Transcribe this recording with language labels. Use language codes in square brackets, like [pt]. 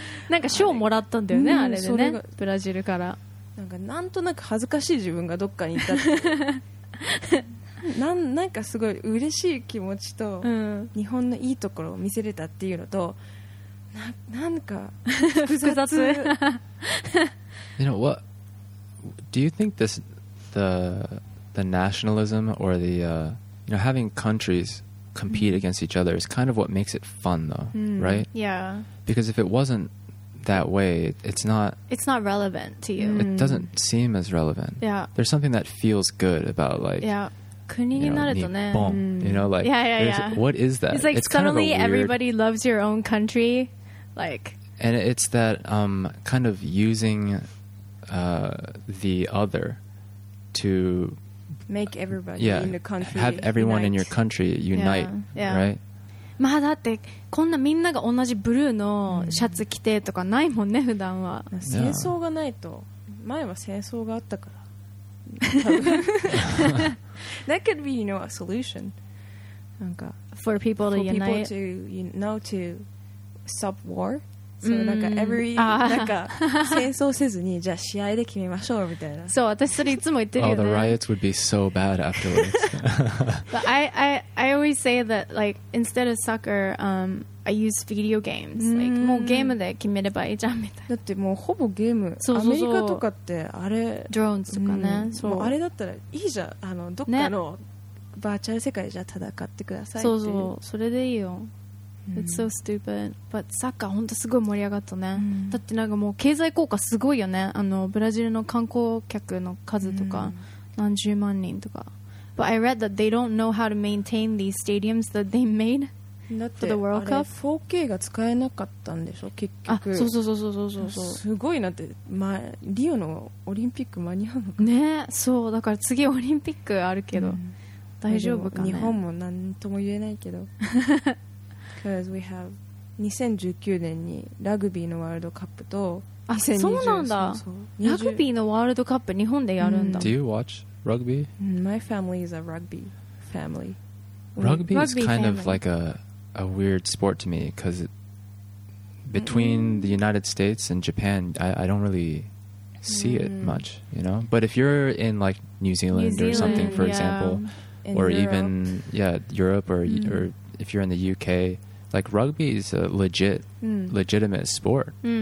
[ja] なんか賞もらったんだよね、あれでね、ブラジルから。なんかなんとなく恥ずかしい自分がどっかにいたって。なんかすごい嬉しい気持ちと、うん、日本のいいところを見せれたっていうのと、なんか複雑。 [en] You know what? Do you think this the nationalism or the you know, having countries compete against each other is kind of what makes it fun though, right? Yeah. Because if it wasn't that way, it's not relevant to you. It doesn't seem as relevant. Yeah. There's something that feels good about like [ja] yeah. 国になるとね、 [en] you know, like, yeah, yeah, yeah. What is that? It's like suddenly kind of everybody loves your own country, like. And it's that kind of using the other to make everybody yeah, in the country have everyone unite. In your country unite, yeah, yeah. right? [ja] まあだってこんなみんなが同じブルーのシャツ着てとかないもんね、普段は。戦争がないと、前は戦争があったから。 [en] That could be, you know, a solution. For people to for unite. For people to, you know, to stop war. [ja] So,、mm-hmm. like, every, like, 戦争せずに、じゃあ試合で決めましょうみたいな。そう、私それいつも言ってるよね。 [en] Oh, the riots would be so bad afterwards. But I always say that, like, instead of soccer, I use video games. [ja] Like, もうゲームで決めればいいじゃんみたいな。だってもうほぼゲーム。そうそうそう。アメリカとかってあれ。ドローンズとかね。そう。もうあれだったらいいじゃん。あの、どっかのバーチャル世界じゃ戦ってくださいっていう。そうそう。それでいいよ。 [en] It's so stupid. But [ja] サッカー本当すごい盛り上がったね。だってなんかもう経済効果すごいよね。あの、ブラジルの観光客の数とか、何十万人とか。 [en] But I read that they don't know how to maintain these stadiums that they made for the World Cup. [ja] 4K が使えなかったんでしょ、結局。あ、そうそうそうそうそうそうそう。すごいなって、ま、リオのオリンピック間に合うのか。ね、そう、だから次オリンピックあるけど、大丈夫かね。日本も何とも言えないけど。 [en] Because we have [ja] 2019年にラグビーのワールドカップと、あ、そうなんだ。そうそう。ラグビーのワールドカップ日本でやるんだ。 [en] Do you watch rugby? My family is a rugby family. Rugby is kind of like a weird sport to me because between the United States and Japan, I don't really see it much, you know? But if you're in like New Zealand or something, for example, or even, Europe or if you're in the UK, like rugby is a legitimate sport.